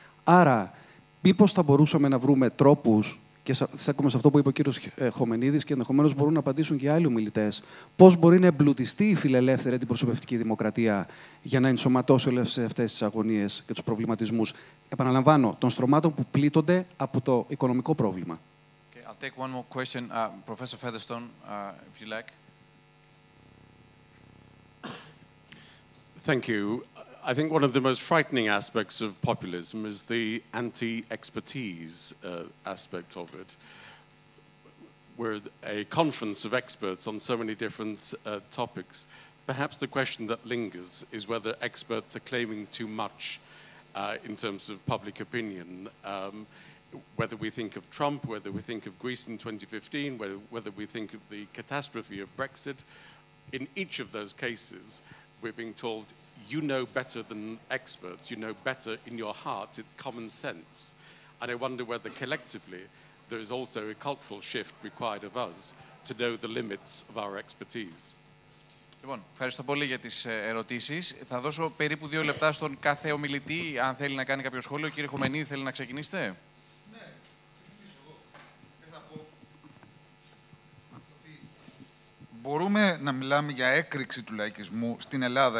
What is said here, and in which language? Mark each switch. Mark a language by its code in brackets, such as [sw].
[el] Άρα, μήπως θα μπορούσαμε να βρούμε τρόπους, και στέκομαι σε αυτό που είπε ο κύριος Χομενίδης και ενδεχομένως μπορούν να απαντήσουν και άλλοι ομιλητές, πώς μπορεί να εμπλουτιστεί η φιλελεύθερη αντιπροσωπευτική δημοκρατία για να ενσωματώσει όλες αυτές τις αγωνίες και τους προβληματισμούς, επαναλαμβάνω, των στρωμάτων που πλήττονται από το οικονομικό πρόβλημα. [en] Okay, I'll take one more question. Professor Featherstone, if you like. Thank you. I think one of the most frightening aspects of populism is the anti-expertise aspect of it. We're a conference of experts on so many different topics. Perhaps the question that lingers is whether experts are claiming too much in terms of public opinion, whether we think of Trump, whether we think of Greece in 2015, whether we think of the catastrophe of Brexit. In each of those cases, we're being told, you know better than experts, you know better in your heart, it's common sense. And I wonder whether collectively there is also a cultural shift required of us to know the limits of our expertise. [el] Λοιπόν, ευχαριστώ πολύ για τις ερωτήσεις. Θα δώσω περίπου 2 λεπτά στον κάθε ομιλητή, αν θέλει να κάνει κάποιο σχόλιο. Κύριε Χομενίδη, θέλει να ξεκινήσετε? Μπορούμε να μιλάμε για έκρηξη του λαϊκισμού στην Ελλάδα?